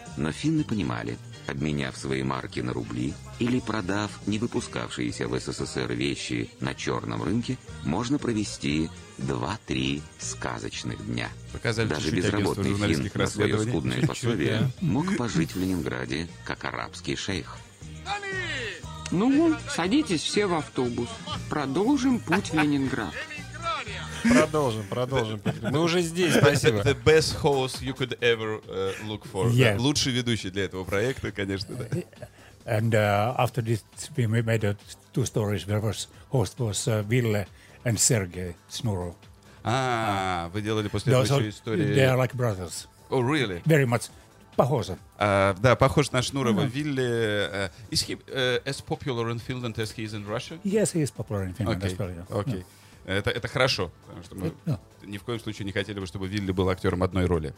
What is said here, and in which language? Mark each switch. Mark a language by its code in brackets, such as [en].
[ru] Но финны понимали, обменяв свои марки на рубли или продав не выпускавшиеся в СССР вещи на черном рынке, можно провести 2-3 сказочных дня. Показали. Даже безработный финн на свое скудное пособие мог пожить в Ленинграде, как арабский шейх. Ну, садитесь все в автобус. Продолжим путь в Ленинград. Продолжим. Мы уже здесь, спасибо. [en] The best host you could ever look for. Yeah. [ru] Лучший ведущий для этого проекта, конечно, да. [en] And after this, we made two stories. The first host was Ville and Sergei Snuro. [ru] Вы делали после этой истории... [en] They are like brothers. Oh, really? Very much. [ru] Похоже. Да, похож на Шнурова. [en] Вилли... Is he as popular in Finland as he is in Russia? Yes, he is popular in Finland. Okay. [ru] Это хорошо, потому что мы ни в коем случае не хотели бы, чтобы Вилли был актером одной роли.